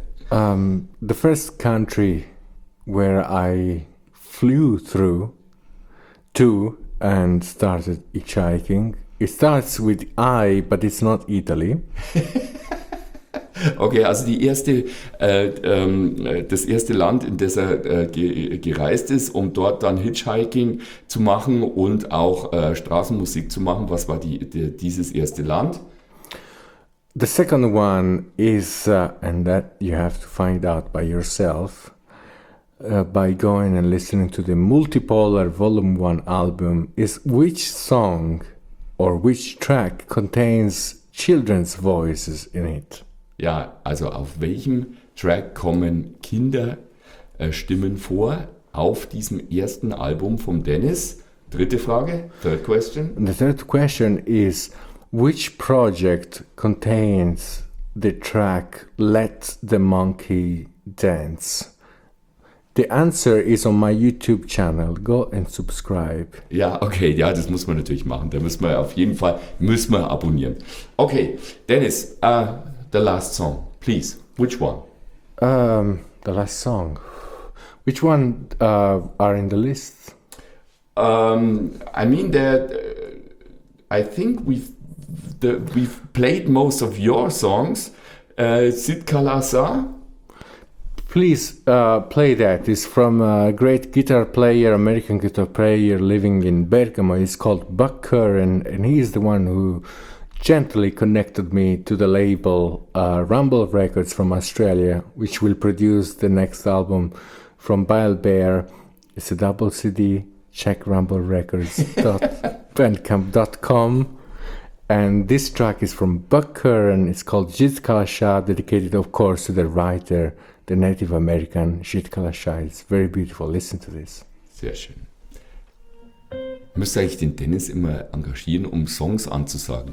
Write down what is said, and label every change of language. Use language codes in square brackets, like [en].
[en] the first country where I flew through to and started hitchhiking. It starts with I, but it's not Italy. [de] Okay, also die erste, das erste Land, in das er gereist ist, um dort dann Hitchhiking zu machen und auch Straßenmusik zu machen. Was war dieses erste Land? [en] The second one is, and that you have to find out by yourself, by going and listening to the Multipolar Volume 1 album, is which song or which track contains children's voices in it? [de] Ja, also auf welchem Track kommen Kinderstimmen vor auf diesem ersten Album von Dennis? Dritte Frage, [en] third question. And the third question is, which project contains the track Let the Monkey Dance? The answer is on my YouTube channel. Go and subscribe. [de] Ja, okay, ja, das muss man natürlich machen. Da müssen wir auf jeden Fall abonnieren. [en] Okay, Dennis, the last song, please. Which one? The last song. Which one are in the list? I mean that I think we've played most of your songs. Sid Kalasa. Please play that. It's from a great guitar player, American guitar player living in Bergamo. It's called Buck Curran, and he is the one who gently connected me to the label Rumble Records from Australia, which will produce the next album from Bile Bear. It's a double CD. Check rumblerecords.bandcamp.com. And this track is from Buck Curran. It's called Jit Kala Shah, dedicated, of course, to the writer, the Native American Jit Kala Shah. It's very beautiful. Listen to this. [de] Sehr schön. Müsste eigentlich den Dennis immer engagieren, um Songs anzusagen.